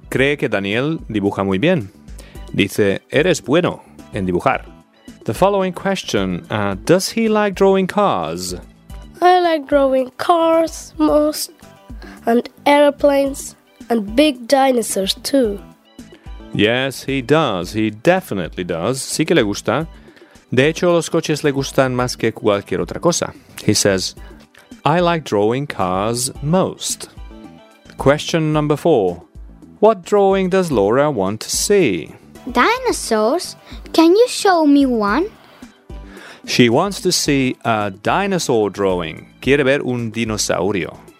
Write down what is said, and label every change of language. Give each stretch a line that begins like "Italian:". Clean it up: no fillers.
Spanish: Cree que Daniel dibuja muy bien. Dice, eres bueno en dibujar.
English: The following question, does he like drawing cars? I like drawing cars most, and airplanes, and big dinosaurs too. Yes, he does. He definitely does.
Spanish: Sí que le gusta. De hecho, los coches le gustan más que cualquier otra cosa.
English: He says, I like drawing cars most. Question number four, what drawing does Laura want to see? Dinosaurs? Can you show me one? She wants to see a dinosaur drawing.
Spanish: Quiere ver un dinosaurio.